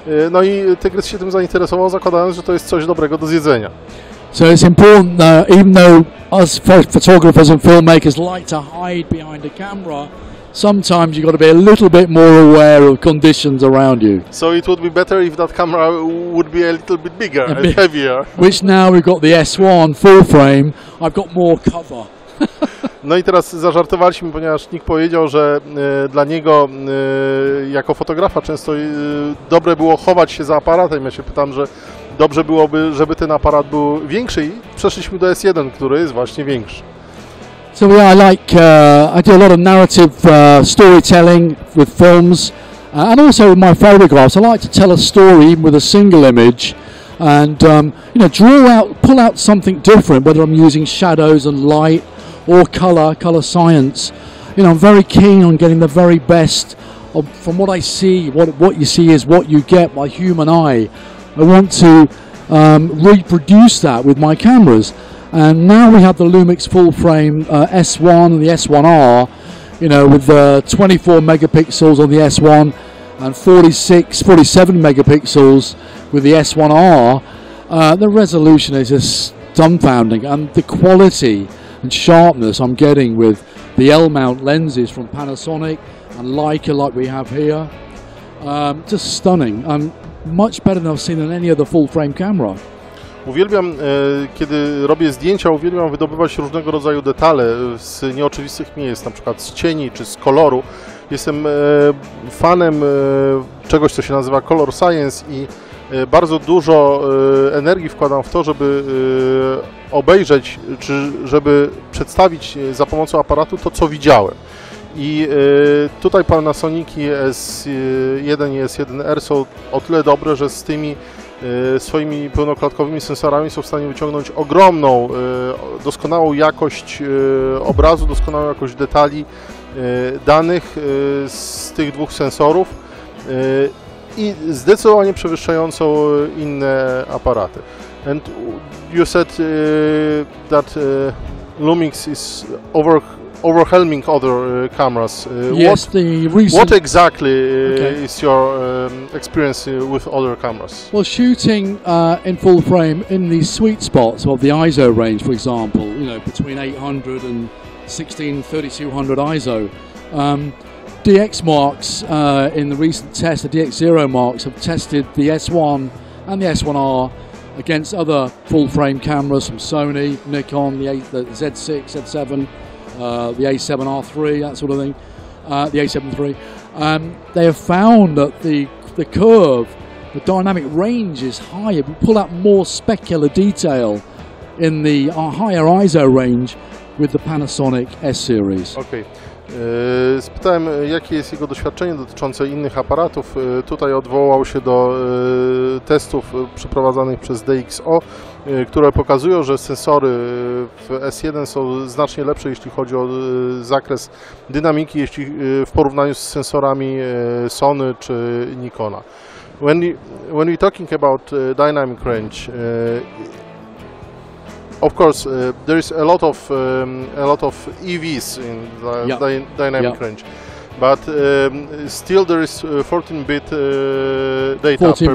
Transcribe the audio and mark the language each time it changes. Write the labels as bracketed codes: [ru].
[pl] No i tygrys się tym zainteresował, zakładając, że to jest coś dobrego do zjedzenia. [en] So it's important that even though us photographers and filmmakers like to hide behind a camera, sometimes you've got to be a little bit more aware of conditions around you. So it would be better if that camera would be a little bit bigger and heavier. Which now we've got the S1 full frame, I've got more cover. [pl] No i teraz zażartowaliśmy, ponieważ Nick powiedział, że dla niego jako fotografa często dobre było chować się za aparatem. Ja się pytam, że dobrze byłoby, żeby ten aparat był większy, i przeszliśmy do S1, który jest właśnie większy. [en] So yeah, I do a lot of narrative storytelling with films and also with my photographs. I like to tell a story even with a single image and pull out something different, whether I'm using shadows and light or color science. You know, I'm very keen on getting the very best of, from what I see, what you see is what you get by human eye. I want to reproduce that with my cameras. And now we have the Lumix full frame S1 and the S1R, you know, with 24 megapixels on the S1 and 47 megapixels with the S1R. The resolution is just dumbfounding, and the quality and sharpness I'm getting with the L-mount lenses from Panasonic and Leica like we have here, just stunning. Much better than I've seen on any other full frame camera. [pl] Uwielbiam, kiedy robię zdjęcia, uwielbiam wydobywać różnego rodzaju detale z nieoczywistych miejsc, na przykład z cieni czy z koloru. Jestem fanem czegoś, co się nazywa color science, i bardzo dużo energii wkładam w to, żeby obejrzeć, czy żeby przedstawić za pomocą aparatu to, co widziałem. I tutaj Panasonic S1 i S1R są o tyle dobre, że z tymi swoimi pełnoklatkowymi sensorami są w stanie wyciągnąć ogromną, doskonałą jakość obrazu, doskonałą jakość detali danych z tych dwóch sensorów i zdecydowanie przewyższającą inne aparaty. [en] And you said that Lumix is overwhelming other cameras. Yes, the reason. What exactly is your experience with other cameras? Well, shooting in full frame in the sweet spots of the ISO range, for example, you know, between 800 and 3200 ISO. DX marks in the recent test, the DX0 marks have tested the S1 and the S1R against other full frame cameras from Sony, Nikon, the Z6, Z7. The A7 R3, that sort of thing, the A7 III. They have found that the curve, the dynamic range is higher. We pull out more specular detail in the higher ISO range with the Panasonic S series. Okay. [pl] Spytałem, jakie jest jego doświadczenie dotyczące innych aparatów. Tutaj odwołał się do testów przeprowadzanych przez DXO, które pokazują, że sensory w S1 są znacznie lepsze, jeśli chodzi o zakres dynamiki, jeśli w porównaniu z sensorami Sony czy Nikona. [en] When we're talking about dynamic range, of course, there is a lot of EVs in the dynamic range, but still there is 14-bit data 14 per